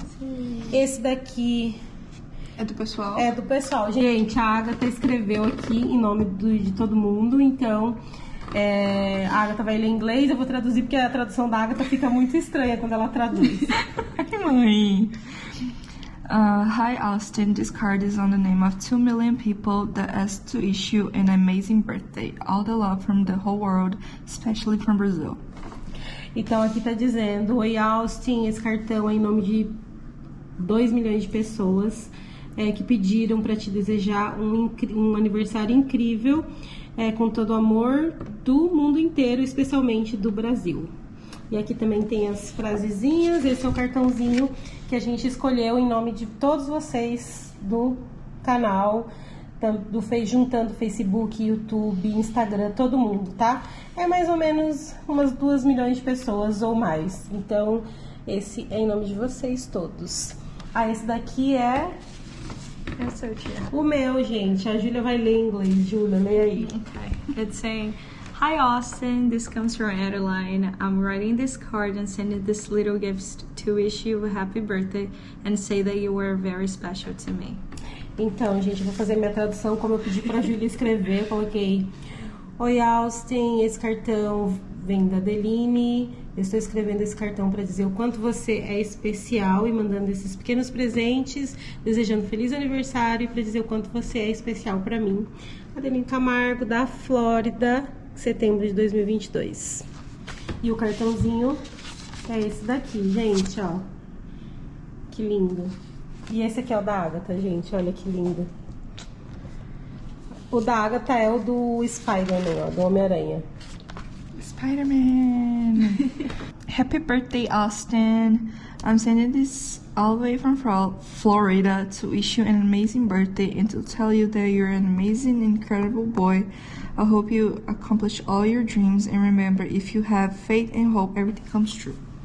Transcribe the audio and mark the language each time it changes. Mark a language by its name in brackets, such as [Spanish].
[Portuguese] Sim. Esse daqui... É do pessoal. Gente, a Agatha escreveu aqui em nome de todo mundo, então... a Agatha vai ler inglês, eu vou traduzir, porque a tradução da Agatha fica muito estranha quando ela traduz. Ai, mãe! Hi, Austin. [English] This card is on the name of 2 million people that asked to issue an amazing birthday. All the love from the whole world, especially from Brazil. [Portuguese] Então, aqui tá dizendo, oi, Austin, esse cartão é em nome de 2 milhões de pessoas que pediram pra te desejar um aniversário incrível. Com todo o amor do mundo inteiro, especialmente do Brasil. E aqui também tem as frasezinhas, esse é o cartãozinho que a gente escolheu em nome de todos vocês do canal, juntando Facebook, YouTube, Instagram, todo mundo, tá? É mais ou menos umas 2 milhões de pessoas ou mais. Então, esse é em nome de vocês todos. Ah, esse daqui é... Eu sou o meu, gente. A Júlia vai ler em inglês. Júlia, lê aí. [English] Okay. It's saying, hi Austin, this comes from Adeline. I'm writing this card and sending this little gift to wish you a happy birthday and say that you were very special to me. [Portuguese] Então, gente, eu vou fazer minha tradução como eu pedi pra Júlia escrever. Eu coloquei, oi Austin, esse cartão vem da Adeline. Eu estou escrevendo esse cartão para dizer o quanto você é especial e mandando esses pequenos presentes, desejando feliz aniversário e para dizer o quanto você é especial para mim. Adeline Camargo, da Flórida, setembro de 2022. E o cartãozinho é esse daqui, gente, ó. Que lindo. E esse aqui é o da Agatha, gente, olha que lindo. O da Agatha é o do Spider-Man, ó, do Homem-Aranha. [English] Spider-Man! Happy birthday, Austin! I'm sending this all the way from Florida to wish you an amazing birthday and to tell you that you're an amazing, incredible boy. I hope you accomplish all your dreams and remember, if you have faith and hope, everything comes true.